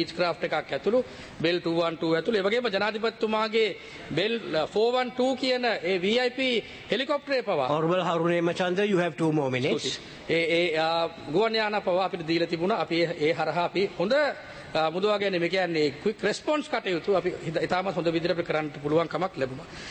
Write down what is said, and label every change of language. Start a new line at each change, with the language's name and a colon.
Sinhala: Beach craft එකක් ඇතුළු bell 212 ඇතුළු, ඒ වගේම ජනාධිපතිතුමාගේ බෙල් 412 කියන ඒ VIP හෙලිකොප්ටරේ පවා
English: හොර්බල් හරුනේ මචන්ද you have 2 more minutes
Sinhala: ඒ ගුවන් යාන පවා අපිට දීලා තිබුණා. අපි ඒ හරහා අපි හොඳ මුදවා ගැනීම, කියන්නේ ක්වික් රෙස්පොන්ස් කටයුතු අපි ඉතාමත් හොඳ විදිහට අපි කරන්න පුළුවන් කමක් ලැබුණා.